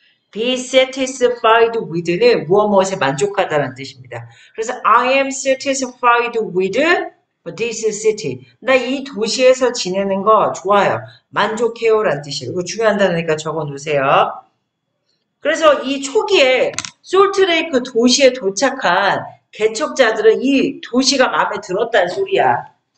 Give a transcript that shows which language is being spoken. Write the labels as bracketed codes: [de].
[en] Be satisfied with [ko] 는 무엇무엇에 만족하다는 뜻입니다. 그래서 [en] I am satisfied with this city. [ko] 나이 도시에서 지내는 거 좋아요. 만족해요라는 뜻이에요. 이거 중요한 단어니까 적어 놓으세요. 그래서 이 초기에 솔트레이크 도시에 도착한 개척자들은 이 도시가 마음에 들었단 소리야.